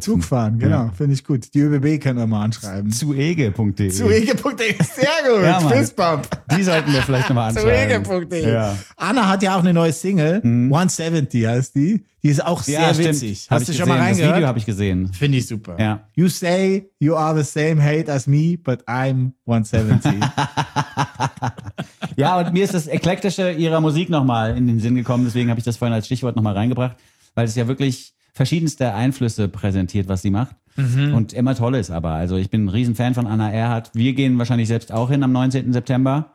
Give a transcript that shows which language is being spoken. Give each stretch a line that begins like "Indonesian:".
German: Zugfahren, genau. Ja. Finde ich gut. Die ÖBB können wir mal anschreiben. Zuege.de. Zuege.de, sehr gut. Ja, Fistbump. Die sollten wir vielleicht nochmal anschreiben. Zuege.de. Ja. Anna hat ja auch eine neue Single. Hm. 170 heißt die. Die ist auch sehr witzig. Hast du schon mal reingehört? Das Video habe ich gesehen. Finde ich super. Ja.
English: You say you are the same hate as me, but I'm 170.
German: Ja, und mir ist das Eklektische ihrer Musik nochmal in den Sinn gekommen. Deswegen habe ich das vorhin als Stichwort nochmal reingebracht, weil es ja wirklich verschiedenste Einflüsse präsentiert, was sie macht. Mhm. Und immer toll ist aber. Also ich bin ein Riesenfan von Anna Erhardt. Wir gehen wahrscheinlich selbst auch hin am 19. September.